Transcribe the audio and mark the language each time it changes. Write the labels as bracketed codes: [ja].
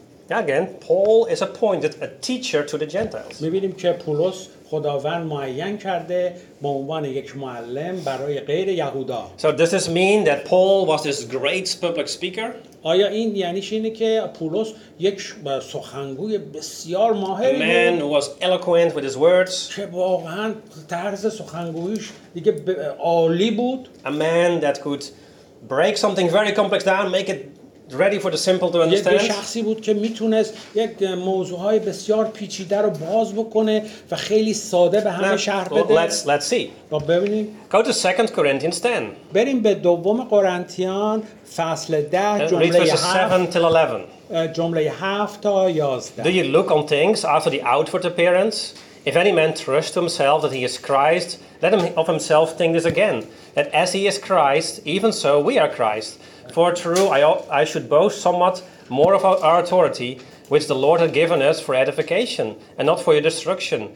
[en] Again, Paul is appointed a teacher to the Gentiles. [fa] می‌بینیم که پولس خداوند معین کرده به عنوان یک معلم برای غیر یهودا. [en] So does this mean that Paul was this great public speaker? [fa] آیا این یعنیش اینه که پولس یک سخنگوی بسیار ماهری بود؟ [en] A man who was eloquent with his words. [fa] که واقعا طرز سخنگویش دیگه عالی بود. [en] A man that could break something very complex down, make it ready for the simple to understand. [fa] یک شخصی بود که میتونست یک موضوعهای بسیار پیچیده رو باز بکنه و خیلی ساده به همه شرح بده. [en] Let's see. [fa] ببینیم. [en] Go to 2 Corinthians 10. [fa] بریم به دوم قرنتیان فصل 10 جمله 7 جمله 7 تا 11. [en] Do you look on things after the outward appearance? If any man trusts to himself that he is Christ, let him of himself think this again, that as he is Christ, even so we are Christ. For true, I should boast somewhat more of our authority, which the Lord had given us for edification, and not for your destruction.